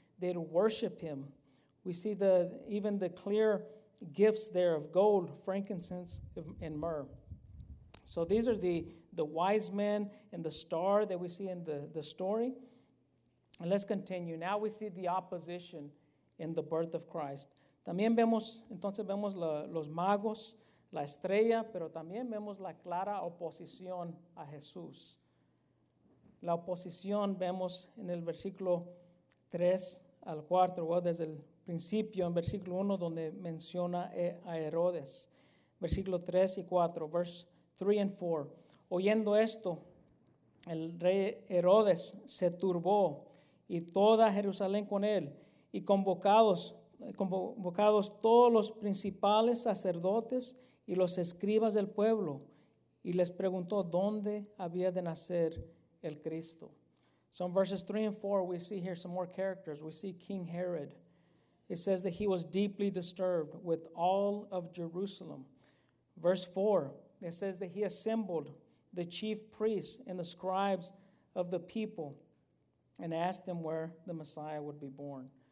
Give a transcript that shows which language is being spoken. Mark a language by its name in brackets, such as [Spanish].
[English] They'd worship him. We see the even the clear gifts there of gold, frankincense, and myrrh. So these are the wise men and the star that we see in the story. And let's continue. Now we see the opposition in the birth of Christ. [Spanish] También vemos, entonces vemos los magos, la estrella, pero también vemos la clara oposición a Jesús. La oposición vemos en el versículo 3 al 4, o desde el principio, en versículo 1, donde menciona a Herodes. Versículo 3 y 4, [English] verse 3 and 4. [Spanish] Oyendo esto, el rey Herodes se turbó, y toda Jerusalén con él, y convocados todos los principales sacerdotes y los escribas del pueblo, y les preguntó dónde había de nacer el Cristo. [English] So in verses 3 and 4, we see here some more characters. We see King Herod. It says that he was deeply disturbed with all of Jerusalem. Verse 4, it says that he assembled the chief priests and the scribes of the people and asked them where the Messiah would be born.